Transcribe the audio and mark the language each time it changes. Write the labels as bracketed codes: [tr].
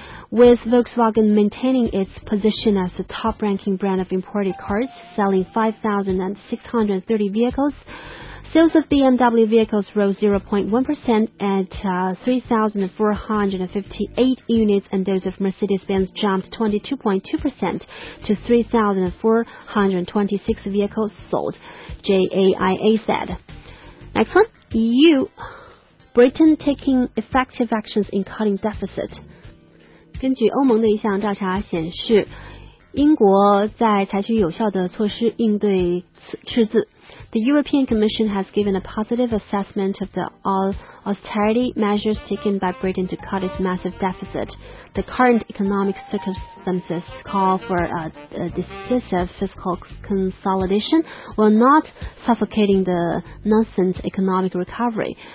[en] With Volkswagen maintaining its position as the top-ranking brand of imported cars, selling 5,630 vehicles, sales of BMW vehicles rose 0.1% at 3,458 units, and those of Mercedes-Benz jumped 22.2% to 3,426 vehicles sold, JAIA said. Next one, EU. Britain taking effective actions in cutting deficit. [zh] 根据欧盟的一项调查显示，英国在采取有效的措施应对赤字。 [en] The European Commission has given a positive assessment of the austerity measures taken by Britain to cut its massive deficit. The current economic circumstances call for a decisive fiscal consolidation while not suffocating the nascent economic recovery.